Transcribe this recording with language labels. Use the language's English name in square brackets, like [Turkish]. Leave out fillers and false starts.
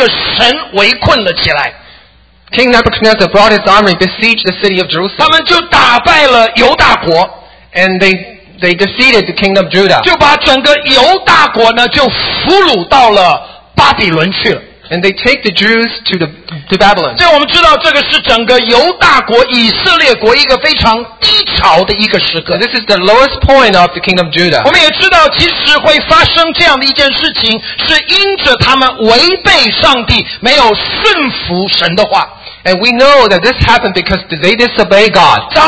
[Chinese] 尼布甲尼撒来到了耶利这个耶路撒冷将这个城围困了起来。 [English] King Nebuchadnezzar brought his army, besieged the city of Jerusalem. [Chinese] 他们就打败了犹大国, [English] and they defeated the kingdom of Judah. [Chinese] 就把整个犹大国呢, 就俘虏到了巴比伦去了。 [English] And they take the Jews to Babylon. [Chinese] 这我们知道这个是整个犹大国以色列国一个非常低潮的一个时刻。 [English] This is the lowest point of the kingdom of Judah. [Chinese] 我们也知道其实会发生这样的一件事情, 是因着他们违背上帝没有顺服神的话。 [English] And we know that this happened because they disobey God.